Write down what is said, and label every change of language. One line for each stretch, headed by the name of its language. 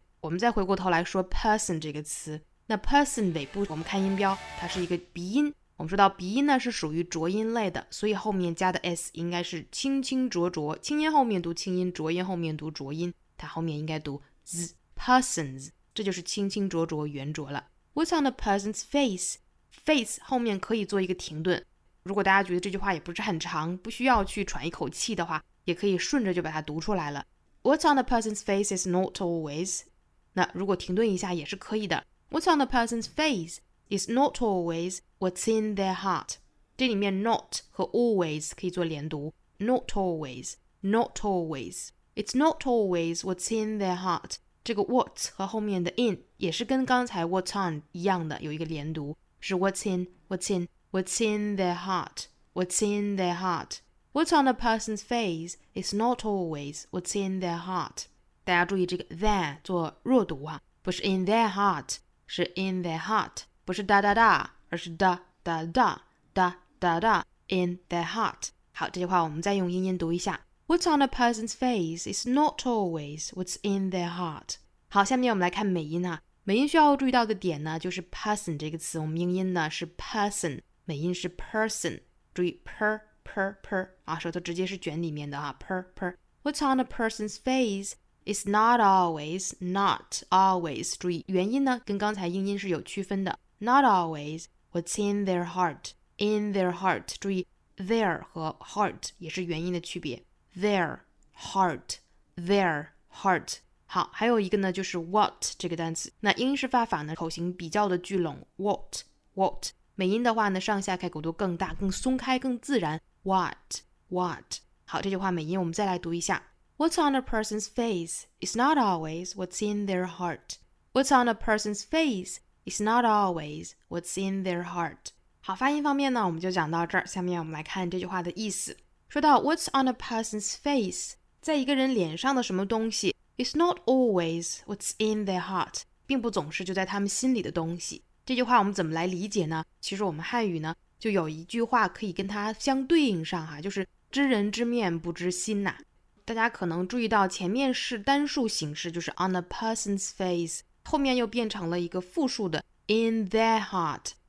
Chinese: 我们再回过头来说 person 这个词，那 person 尾部我们看音标，它是一个鼻音，我们说到鼻音呢是属于浊音类的，所以后面加的 s 应该是清清浊浊，清音后面读清音，浊音后面读浊音，它后面应该读 z， persons， 这就是清清浊浊圆浊了。 What's on a person's face， face 后面可以做一个停顿，如果大家觉得这句话也不是很长，不需要去喘一口气的话，也可以顺着就把它读出来了。
English: What's on a person's face is not always，
Chinese: 那如果停顿一下也是可以的。
English: What's on a person's face is not always what's in their heart.
Chinese: 这里面 not 和 always 可以做连读。
English: Not always, not always. It's not always what's in their heart. 这个 what 和后面的 in 也是跟刚才 what's on
Chinese: 一样的，有一个连读，是
English: what's in, what's in, what's in their heart, what's in their heart. What's on a person's face is not always what's in their heart.
Chinese: 大家注意这个 their 做弱读啊，不是 in their heart. 是 in their heart， 不是 da da da， 而是 da da da da da da in their heart。好，这句话我们再用英音读一下。
English: What's on a person's face is not always what's in their heart。
Chinese: 好，下面我们来看美音啊。美音需要注意到的点呢，就是 person 这个词，我们英音呢是 person， 美音是 person， 注意 per per per 啊，舌头直接是卷里面的啊， per per。
English: What's on a person's faceIs not always, not always.
Chinese: 注意元音呢，跟刚才英音是有区分的。
English: Not always, what's in their heart, in their heart.
Chinese: 注意 their 和 heart 也是元音的区别。
English: Their heart, their heart.
Chinese: 好，还有一个呢，就是 what 这个单词。那英式发法呢，口型比较的聚拢 ，what what。美音的话呢，上下开口都更大、更松开、更自然 ，what what。好，这句话美音我们再来读一下
English: ：What's on a person's face is not always what's in their heart. What's on a person's face is not always what's in their heart.
Chinese: 好，发音方面呢，我们就讲到这儿。下面我们来看这句话的意思。说到
English: What's on a person's face，
Chinese: 在一个人脸上的什么东西。
English: It's not always what's in their heart，
Chinese: 并不总是就在他们心里的东西。这句话我们怎么来理解呢？其实我们汉语呢，就有一句话可以跟它相对应上哈，就是知人知面不知心呐。大家可能注意到前面是单数形式，就是
English: on a person's face，
Chinese: 后面又变成了一个复数的
English: in their heart。